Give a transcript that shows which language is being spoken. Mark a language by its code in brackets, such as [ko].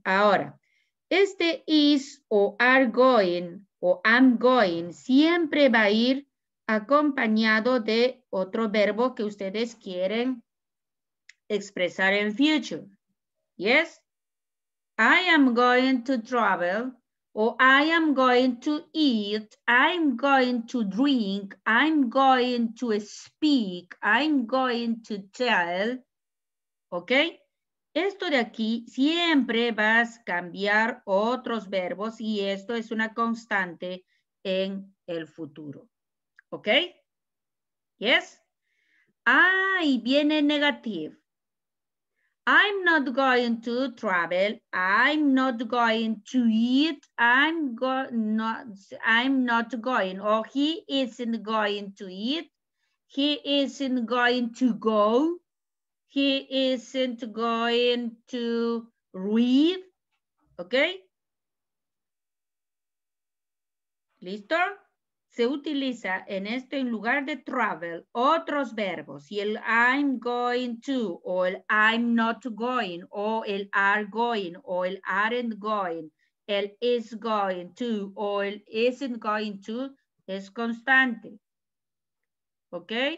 [es] Ahora, este [en] is o are going o am going [es] siempre va a ir acompañado de otro verbo que ustedes quieren expresar en future. [en] Yes? I am going to travel. Or I am going to eat, I'm going to drink, I'm going to speak, I'm going to tell. [es] ¿Ok? Esto de aquí siempre vas a cambiar otros verbos y esto es una constante en el futuro. ¿Ok? ¿Yes? Ah, y viene negativo. [en] I'm not going to travel. I'm not going to eat. I'm not going. Or he isn't going to eat. He isn't going to go. He isn't going to read. Okay? [es] ¿Listo? Se utiliza en esto, en lugar de travel, otros verbos. Y el [en] I'm going to, [es] o el [en] I'm not going, [es] o el [en] are going, [es] o el [en] aren't going, [es] el [en] is going to, [es] o el [en] isn't going to, [es] es constante. ¿Ok?